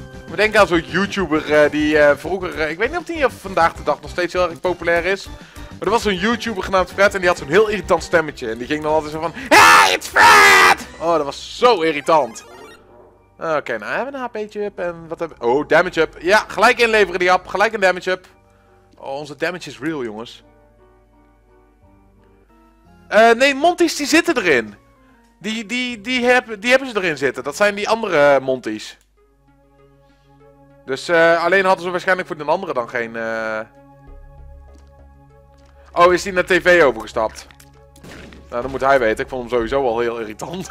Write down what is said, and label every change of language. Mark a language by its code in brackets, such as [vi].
[nl] We denken aan zo'n YouTuber die vroeger... ik weet niet of hij vandaag de dag nog steeds heel erg populair is. Maar er was zo'n YouTuber genaamd Fred en die had zo'n heel irritant stemmetje. En die ging dan altijd zo van... [en] Hey, it's Fred! [nl] Oh, dat was zo irritant. Oké, okay, nou hebben we een HP'tje up en wat hebben we... Oh, damage up. Ja, gelijk inleveren die app. Gelijk een damage up. Oh, onze damage is real, jongens. Nee, Monty's die zitten erin. Die hebben ze erin zitten. Dat zijn die andere Monty's. Dus alleen hadden ze waarschijnlijk voor de andere dan geen... Oh, is die naar tv overgestapt? Nou, dat moet hij weten. Ik vond hem sowieso al heel irritant.